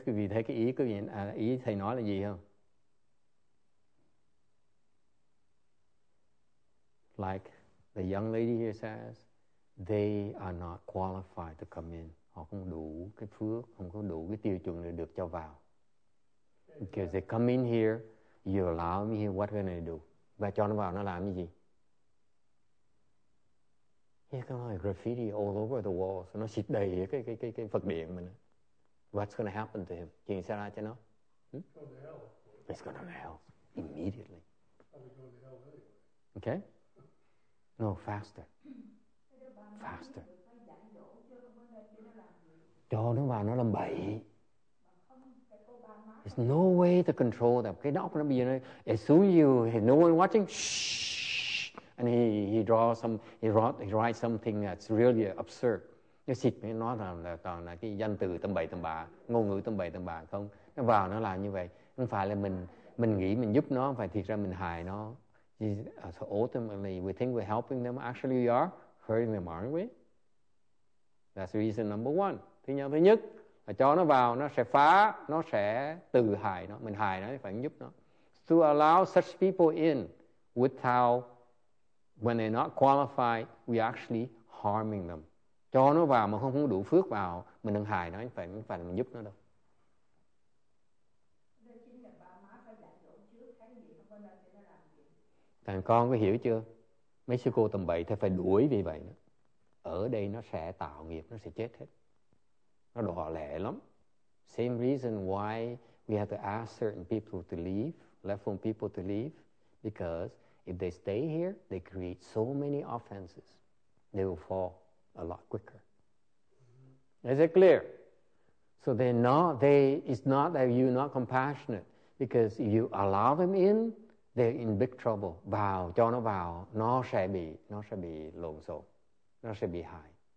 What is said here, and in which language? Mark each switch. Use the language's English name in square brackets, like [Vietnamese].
[Vietnamese] Cái vị thấy cái ý của vị, ý thầy nói là gì không? [English] Like the young lady here says, they are not qualified to come in. [Vietnamese] Họ không đủ cái phước, không có đủ cái tiêu chuẩn để được cho vào. [English] Because they come in here, you allow me here, what are they going to do? [Vietnamese] Và cho nó vào nó làm cái gì? [English] He's got like graffiti all over the walls. [Vietnamese] Nó xịt đầy cái Phật điện mình. [English] What's going to happen to him? [Vietnamese] Chuyện sẽ ra cho nó? [English] It's going to hell immediately. Okay? No, faster. [Vietnamese] Cho nó vào nó làm bậy. [English] There's no way to control them. [Vietnamese] Cái nóc nó bị như thế. [English] As soon as you have no one watching, shh, and he draws some, he writes something that's really absurd. [Vietnamese] cái xịt nó là toàn là cái danh từ tâm bậy tâm bạ, ngôn ngữ tâm bậy tâm bạ không. Nó vào nó làm như vậy, không phải là mình nghĩ mình giúp nó, phải thiệt ra mình hại nó. [English] So ultimately, we think we're helping them. Actually, we are hurting them, aren't we? That's reason number one. [Vietnamese] Thứ nhất, là cho nó vào, nó sẽ phá, nó sẽ tự hại nó. Mình hại nó, phải giúp nó. [English] To allow such people in without, when they're not qualified, we actually harming them. [Vietnamese] Cho nó vào mà không đủ phước vào, mình đừng hại nó, phải mình giúp nó đâu. Thằng con có hiểu chưa? Mấy sư cô tầm bậy thì phải đuổi vì vậy. Ở đây nó sẽ tạo nghiệp, nó sẽ chết hết. Nó đỏ lẻ lắm. [English] Same reason why we have to ask certain people to leave, left-wing people to leave, because if they stay here, they create so many offenses. They will fall a lot quicker. Is it clear? So they're not, it's not that you're not compassionate, because if you allow them in, they're in big trouble. [Vietnamese] Vào, cho nó vào, nó sẽ bị lộn xộn, nó sẽ bị hại.